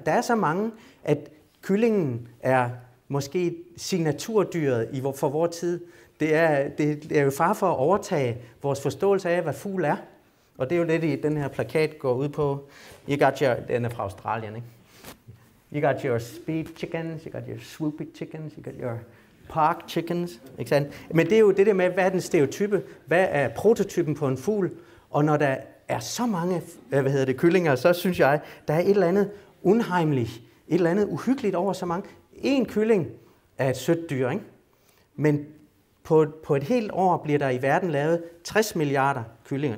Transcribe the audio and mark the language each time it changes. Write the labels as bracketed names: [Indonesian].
[Danish] Der er så mange, at kyllingen er måske signaturdyret for vores tid. Det er jo far for at overtage vores forståelse af, hvad fugl er. Og det er jo lidt i den her plakat, går ud på. [English] I got your, [Danish] den er fra Australien, ikke? [English] You got your speed chickens, you got your swoopy chickens, you got your park chickens, [Danish] ikke sandt? Men det er jo det der med, hvad er den stereotype? Hvad er prototypen på en fugl? Og når der er så mange, kyllinger, så synes jeg, der er et eller andet unheimligt, et eller andet uhyggeligt over så mange. En kylling er et sødt dyr, ikke? Men på et helt år bliver der i verden lavet 60 milliarder kyllinger.